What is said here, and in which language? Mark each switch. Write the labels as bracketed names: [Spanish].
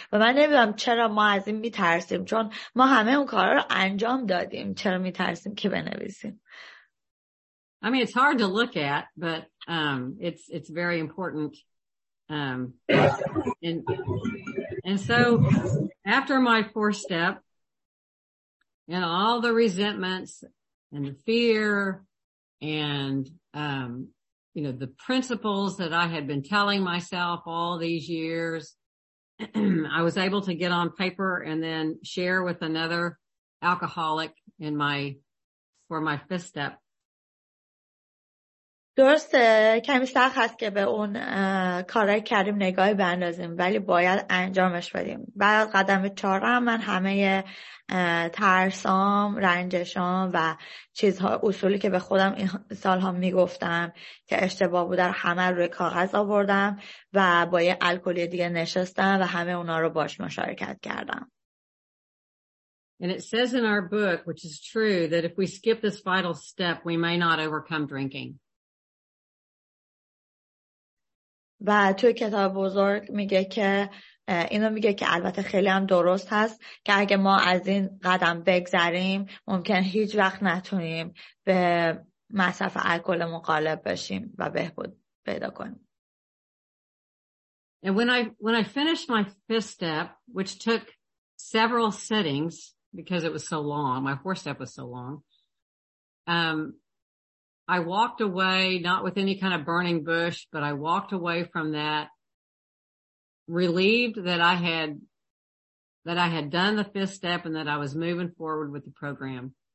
[Persian] و من نمیدونم چرا ما از این میترسیم، چون ما همه اون کارا رو انجام دادیم، چرا میترسیم که بنویسیم؟ [English] I mean it's hard to look at, but it's very important. And so after my fourth step and all the resentments and the fear and you know, the principles that I had been telling myself all these years, I was able to get on paper and then share with another alcoholic for my fifth step. [Persian] درسته کمی سخت هست که به اون کارهای کردیم نگاهی بندازیم، ولی باید انجامش بدیم. بعد قدم چهارم هم من همه ترسام، رنجشام و چیزها، اصولی که به خودم این سالها میگفتم که اشتباه بود، در همه روی کاغذ آوردم و با یه الکلی دیگه نشستم و همه اونا رو باش مشارکت کردم. [English] And it says in our book, which is true, that if we skip this vital step, we may not overcome drinking. [Persian] و توی کتاب بزرگ میگه که اینو میگه که البته خیلی هم درست هست که اگه ما از این قدم بگذریم ممکن هیچ وقت نتونیم به مصرف الکل مغالب بشیم و بهبود پیدا کنیم. [English] And when I finished my fifth step, which took several sittings because it was so long, my fourth step was so long, I walked away, not with any kind of burning bush, but I walked away from that relieved that I had done the fifth step and that I was moving forward with the program.